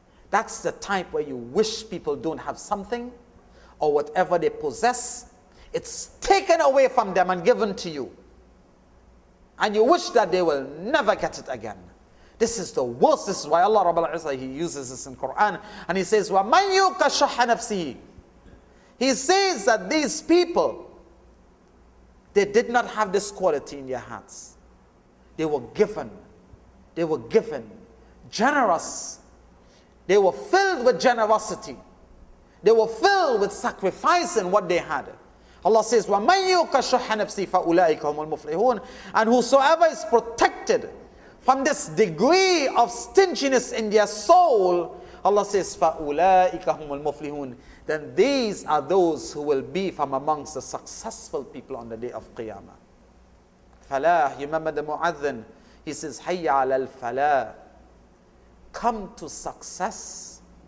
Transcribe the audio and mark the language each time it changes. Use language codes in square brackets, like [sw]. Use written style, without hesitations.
[en] That's the type where you wish people don't have something or whatever they possess. It's taken away from them and given to you. And you wish that they will never get it again. This is the worst. This is why Allah Rabbul Izzah, he uses this in Quran. And he says, [ar] وَمَنْ يُوكَ شُحَّ نَفْسِهِ. [en] He says that these people, they did not have this quality in their hearts. They were given. They were given. Generous. They were filled with generosity. They were filled with sacrificing what they had. Allah says, [ar] وَمَنْ يُوكَ شُحَّ نَفْسِهِ فَأُولَٰئِكَ هُمُ الْمُفْلِحُونَ. [en] And whosoever is protected from this degree of stinginess in their soul, Allah says, [ar] فَأُولَٰئِكَ هُمُ الْمُفْلِحُونَ. [en] Then these are those who will be from amongst the successful people on the day of Qiyamah. Falah, you remember the Mu'adhin, he says, [ar] حَيَّ عَلَى الْفَلَاهِ. [en] Come to success.